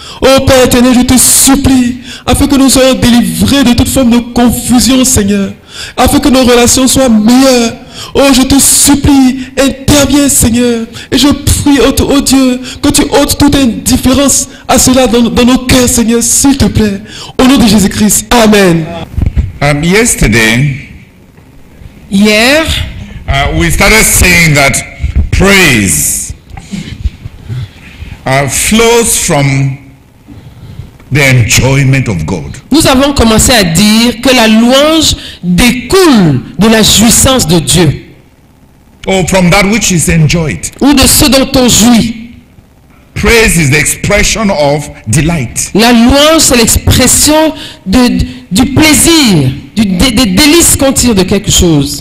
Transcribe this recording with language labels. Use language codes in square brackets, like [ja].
[fr] Oh, Père éternel, je te supplie, afin que nous soyons délivrés de toute forme de confusion, Seigneur. Afin que nos relations soient meilleures. Oh, je te supplie, interviens, Seigneur. Et je prie, oh Dieu, que tu ôtes toute indifférence à cela dans nos cœurs, Seigneur, s'il te plaît. Au nom de Jésus-Christ, amen. Hier, [en] We started saying that praise flows from the enjoyment of God. [fr] Nous avons commencé à dire que la louange découle de la jouissance de Dieu. [en] Or from that which is enjoyed. [fr] Ou de ce dont on jouit. [en] Praise is the expression of delight. [fr] La louange c'est l'expression de du plaisir, des délices qu'on tire de quelque chose.